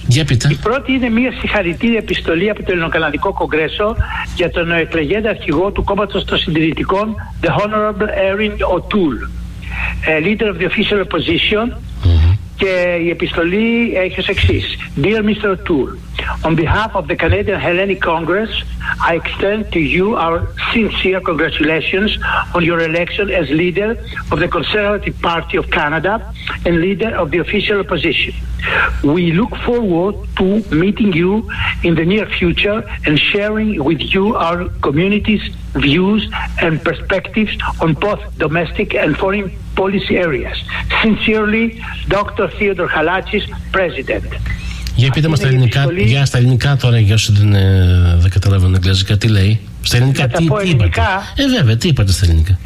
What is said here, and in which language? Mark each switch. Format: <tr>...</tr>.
<el>Για πείτε. Η πρώτη είναι μια συγχαρητήρια επιστολή από το Ελληνοκαναδικό Κογκρέσο για τον εκλεγέντα αρχηγό του κόμματος των συντηρητικών,</el> <en>The Honorable Erin O'Toole, Leader of the Official Opposition.</en> <el>Και η επιστολή έχει ως εξής.</el> <en>Dear Mr. O'Toole, on behalf of the Canadian Hellenic Congress, I extend to you our sincere congratulations on your election as leader of the Conservative Party of Canada and leader of the official opposition. We look forward to meeting you in the near future and sharing with you our community's views and perspectives on both domestic and foreign policy areas. Sincerely, Dr. Theodore Halatzis, President.</en> <el>Για πείτε μας στα ελληνικά, για στα ελληνικά τώρα, για όσοι δεν καταλαβαίνουν αγγλικά, τι λέει. Στα ελληνικά, τι ελληνικά, είπατε. Βέβαια, τι είπατε στα ελληνικά.</el>